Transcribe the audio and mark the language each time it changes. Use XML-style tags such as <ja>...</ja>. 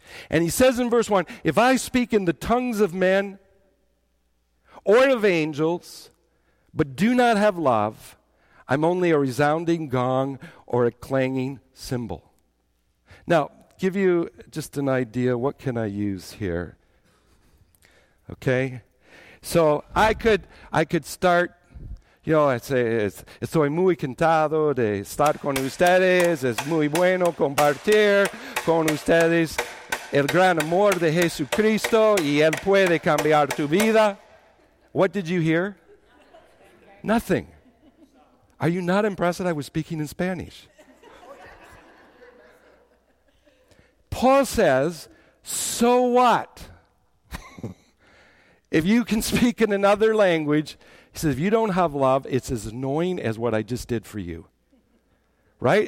<en>And he says in verse 1, if I speak in the tongues of men, or of angels, but do not have love, I'm only a resounding gong or a clanging cymbal. Now, give you just an idea, what can I use here? Okay? So I could start, you know, I'd say,</en> <es>estoy muy encantado de estar con ustedes, es muy bueno compartir con ustedes el gran amor de Jesucristo y Él puede cambiar tu vida.</es> <en>What did you hear? Nothing. Are you not impressed that I was speaking in Spanish? Paul says, so what? If you can speak in another language, he says, if you don't have love, it's as annoying as what I just did for you. Right?</en>